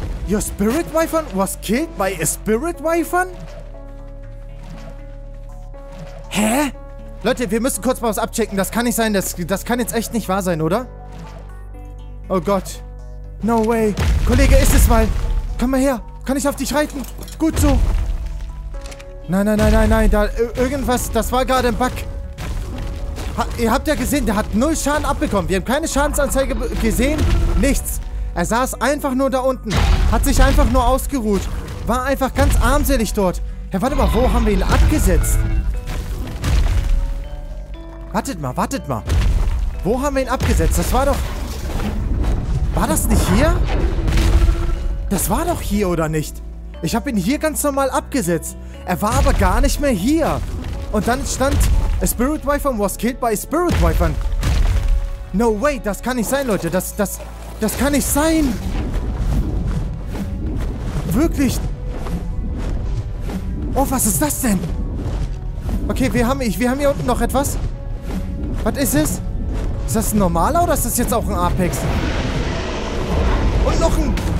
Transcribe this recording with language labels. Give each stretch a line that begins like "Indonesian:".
English: Your Spirit Wifan was killed by a Spirit Wifan?
German: Hä? Leute, wir müssen kurz mal was abchecken. Das kann nicht sein. Das kann jetzt echt nicht wahr sein, oder? Oh Gott.
English: No way.
German: Kollege, ist es mal. Komm mal her. Kann ich auf dich reiten? Gut so. Nein. Da irgendwas, das war gerade ein Bug. Ihr habt ja gesehen, der hat null Schaden abbekommen. Wir haben keine Schadensanzeige gesehen. Nichts. Er saß einfach nur da unten. Hat sich einfach nur ausgeruht. war einfach ganz armselig dort. Herr, warte mal, wo haben wir ihn abgesetzt? Wartet mal, wartet mal. Wo haben wir ihn abgesetzt? Das war doch... War das nicht hier? Das war doch hier, oder nicht? Ich habe ihn hier ganz normal abgesetzt. Er war aber gar nicht mehr hier. Und dann stand...
English: A Spirit Wyvern was killed by a Spirit Wyvern. No way,
German: das kann nicht sein, Leute. Das kann nicht sein. Wirklich. Oh, was ist das denn? Okay, wir haben hier unten noch etwas. Was ist es? Ist das ein normaler oder ist das jetzt auch ein Apex? Und noch ein...